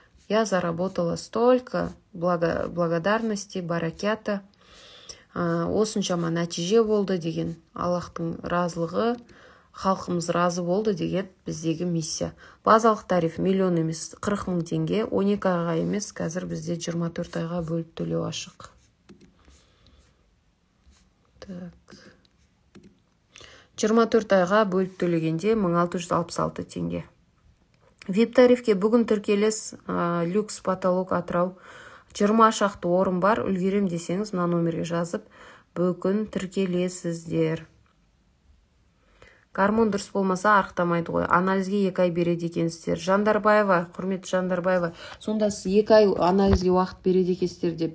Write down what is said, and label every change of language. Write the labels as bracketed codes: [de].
[ru] Я заработала столько благодарности, баракята. [kk] Осыншама нәтиже болды деген, Аллахтың разылығы, халқымыз разы болды деген біздегі миссия. Базалық тариф 1 000 000 емес, 40 000 теңге, 12 айға емес, қазір бізде 24 айға бөліп төлеу ашық. Так. 24 айға бөліп төлегенде 1666 теңге. VIP тарифке бүгін тіркелес, люкс потолок Атырау. 20 шақты орын бар, үлгерем десеңіз, мына номерге жазып, бүгін тіркелесіздер. Гормон дұрыс болмаса, арықтамайды ғой. Анализге 2 ай береді екенсіздер. Жандарбаева, құрметті Жандарбаева, сонда сіз 2 ай анализге уақыт береді екенсіздер деп.